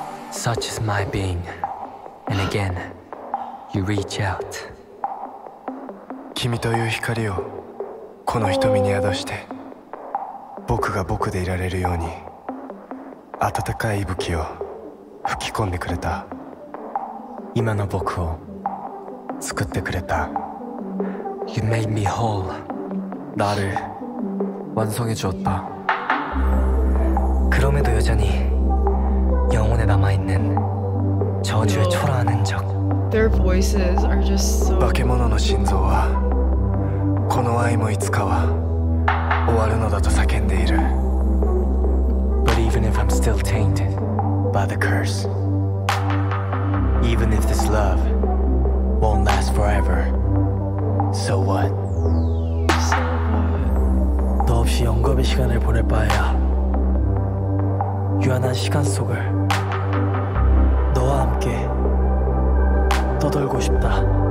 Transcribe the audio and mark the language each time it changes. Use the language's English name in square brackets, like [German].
[English] Such is my being, and again, you reach out. [Japanese] 君という光をこの瞳に宿して、僕が僕でいられるように温かい息吹を吹き込んでくれた。今の僕を作ってくれた。 [English] You made me whole. [Korean] 나를 완성해 주었다. 그럼에도 여전히 영혼에 남아 있는 저주의 초라한 흔적. [English] Their voices are just so. [Korean] 바케모노의 심장은 [Japanese] この 愛も いつかは 終わるのだと 叫んでいる. [English] But even if I'm still tainted by the curse, even if this love won't last forever, so what? [Korean] 너 없이 영겁의 시간을 보낼 바에야 유한한 시간 속을 너와 함께 떠돌고 싶다.